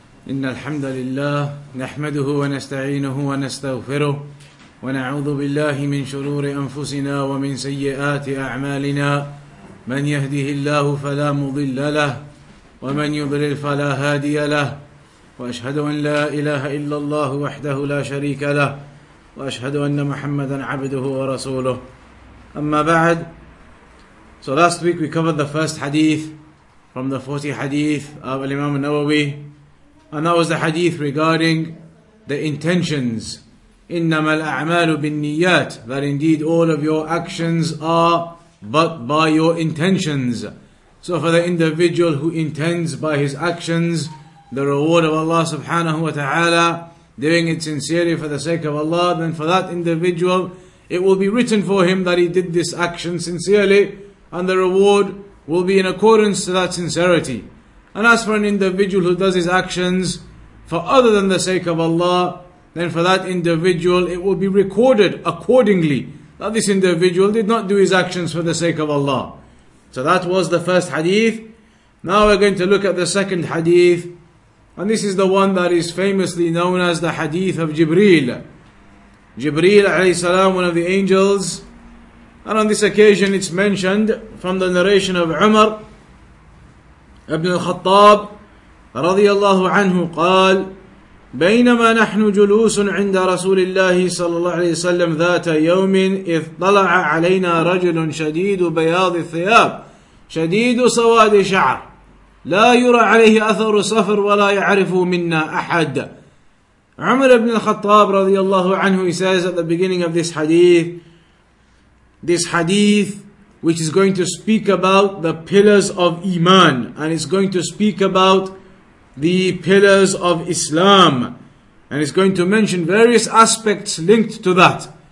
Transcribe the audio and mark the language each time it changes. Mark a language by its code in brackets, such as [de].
[ar] إن الحمد لله نحمده ونستعينه ونستغفره ونعوذ بالله من شرور أنفسنا ومن سيئات أعمالنا من يهده الله فلا مضل له ومن يضلل فلا هادي له وأشهد أن لا إله إلا الله وحده لا شريك له وأشهد أن محمدا عبده ورسوله أما بعد. [en] So last week we covered the first hadith from the 40 hadith of Imam Nawawi. And that was the hadith regarding the intentions. [ar] إِنَّمَا الْأَعْمَالُ بِالنِّيَّاتِ. [en] That indeed all of your actions are but by your intentions. So for the individual who intends by his actions, the reward of Allah subhanahu wa ta'ala, doing it sincerely for the sake of Allah, then for that individual, it will be written for him that he did this action sincerely, and the reward will be in accordance to that sincerity. And as for an individual who does his actions for other than the sake of Allah, then for that individual it will be recorded accordingly that this individual did not do his actions for the sake of Allah. So that was the first hadith. Now we're going to look at the second hadith. And this is the one that is famously known as the hadith of Jibreel. Jibreel alayhi salam, one of the angels. And on this occasion it's mentioned from the narration of Umar [ar] ابن الخطاب رضي الله عنه قال بينما نحن جلوس عند رسول الله صلى الله عليه وسلم ذات يوم إذ طلع علينا رجل شديد بياض الثياب شديد سواد شعر لا يرى عليه أثر صفر ولا يعرف منا أحد. [en] عمر بن الخطاب [ar] رضي الله عنه, [en] he says at the beginning of this hadith which is going to speak about the pillars of Iman, and it's going to speak about the pillars of Islam, and it's going to mention various aspects linked to that.